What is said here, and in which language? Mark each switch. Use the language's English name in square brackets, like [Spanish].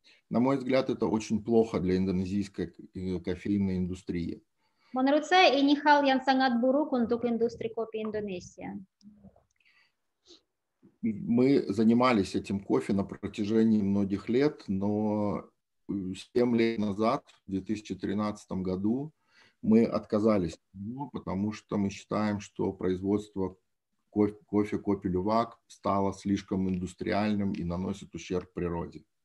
[Russian] На мой взгляд, это очень плохо для индонезийской кофейной индустрии. [Indonesian] Menurut saya ini hal yang sangat buruk untuk industri kopi Indonesia. [Russian] Мы занимались этим кофе на протяжении многих лет, но 7 лет назад, в 2013 году, мы отказались, потому что мы считаем, что производство кофе Копи Лювак стало слишком индустриальным и наносит ущерб природе.